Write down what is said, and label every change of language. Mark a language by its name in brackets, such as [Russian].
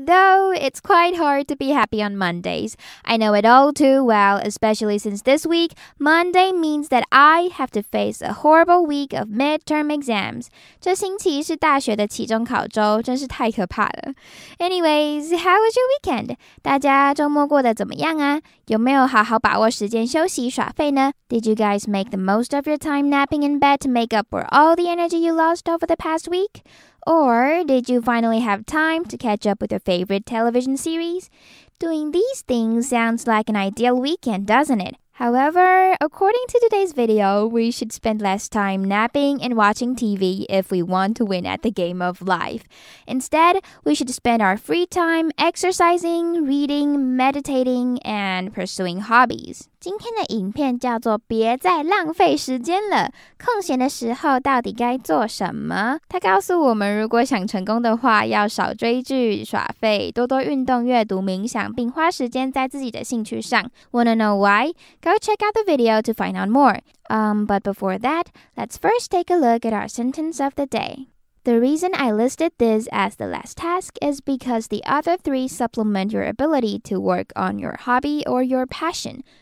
[English] Though it's quite hard to be happy on Mondays. I know it all too well, especially since this week, Monday means that I have to face a horrible week of midterm exams. [Chinese] 这星期是大学的期中考周，真是太可怕了。 [English] Anyways, how was your weekend? [Chinese] 大家周末过得怎么样啊？有没有好好把握时间休息耍废呢？ [English] Did you guys make the most of your time napping in bed to make up for all the energy you lost over the past week? Or did you finally have time to catch up with your favorite television series? Doing these things sounds like an ideal weekend, doesn't it? However, according to today's video, we should spend less time napping and watching TV if we want to win at the game of life. Instead, we should spend our free time exercising, reading, meditating, and pursuing hobbies. [Chinese] 今天的影片叫做别再浪费时间了，空闲的时候到底该做什么？他告诉我们，如果想成功的话，要少追剧、耍废，多多运动、阅读、冥想，并花时间在自己的兴趣上。 [English] Wanna know why? Go check out the video to find out more. But before that, let's first take a look at our sentence of the day. The reason I listed this as the last task is because the other three supplement your ability to work on your hobby or your passion.